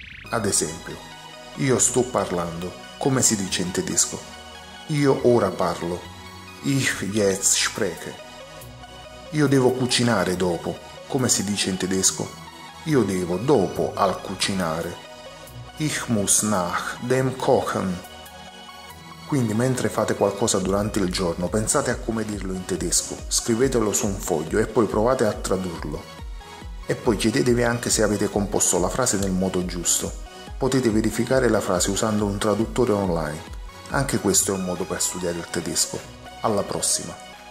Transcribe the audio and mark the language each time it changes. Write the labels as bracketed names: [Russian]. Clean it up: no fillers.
[Italian] Ad esempio, io sto parlando, come si dice in tedesco? Io ora parlo. [German] Ich jetzt spreche. [Italian] Io devo cucinare dopo, come si dice in tedesco? Io devo dopo al cucinare. [German] Ich muss nach dem Kochen. [Italian] Quindi mentre fate qualcosa durante il giorno, pensate a come dirlo in tedesco, scrivetelo su un foglio e poi provate a tradurlo. E poi chiedetevi anche se avete composto la frase nel modo giusto. Potete verificare la frase usando un traduttore online. Anche questo è un modo per studiare il tedesco. Alla prossima!